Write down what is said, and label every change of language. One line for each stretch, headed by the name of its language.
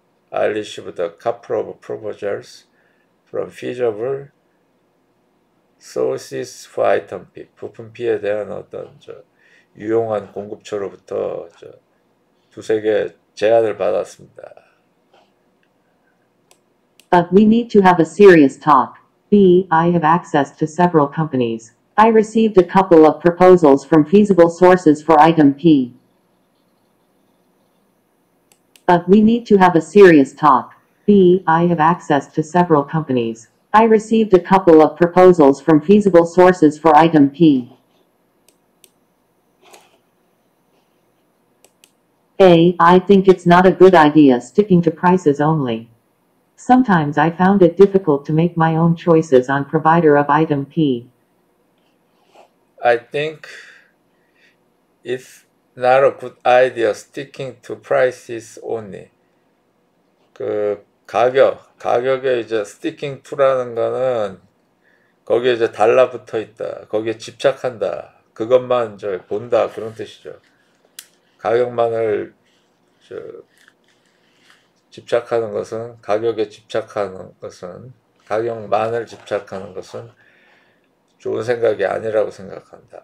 English: I received a couple of proposals from feasible sources for item P.
Korean: 부품 P에 대한 어떤 저 유용한 공급처로부터 저 두세 개 제안을 받았습니다.
English: But we need to have a serious talk. B. I have access to several companies. I received a couple of proposals from feasible sources for item P. But we need to have a serious talk. B. I have access to several companies. I received a couple of proposals from feasible sources for item P. A. I think it's not a good idea sticking to prices only. Sometimes I found it difficult to make my own choices on provider of item P. I think it's not a good idea sticking to prices only.
Korean: 가격에 이제 스티킹 투라는 거는 거기에 이제 달라붙어 있다. 거기에 집착한다. 그것만 저 본다. 그런 뜻이죠. 가격만을 집착하는 것은 가격에 집착하는 것은 가격만을 집착하는 것은 좋은 생각이 아니라고 생각한다.